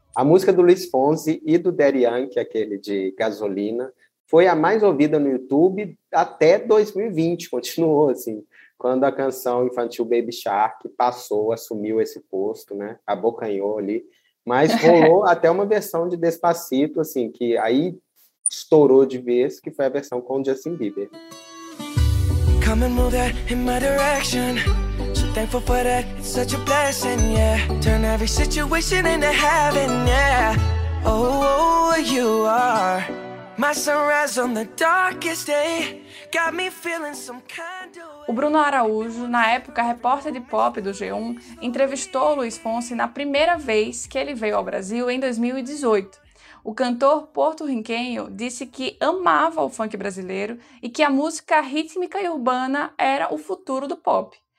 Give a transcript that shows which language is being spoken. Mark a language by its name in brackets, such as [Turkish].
[Portuguese] A música do Luis Fonsi e do Daddy Yankee, aquele de Gasolina, foi a mais ouvida no YouTube até 2020, continuou assim, quando a canção infantil Baby Shark passou, assumiu esse posto, né? Abocanhou ali. Mas rolou até uma versão de Despacito, assim, que aí estourou de vez, que foi a versão com o Justin Bieber. [English] Come and move that in my direction. So thankful for that, it's such a blessing, yeah. Turn every situation into heaven, yeah. Oh, you are my sunrise on the darkest day. Got me feeling some kind of... [Portuguese] O Bruno Araújo, na época repórter de pop do G1, entrevistou o Luis Fonsi na primeira vez que ele veio ao Brasil em 2018. O cantor porto-riquenho disse que amava o funk brasileiro e que a música rítmica e urbana era o futuro do pop.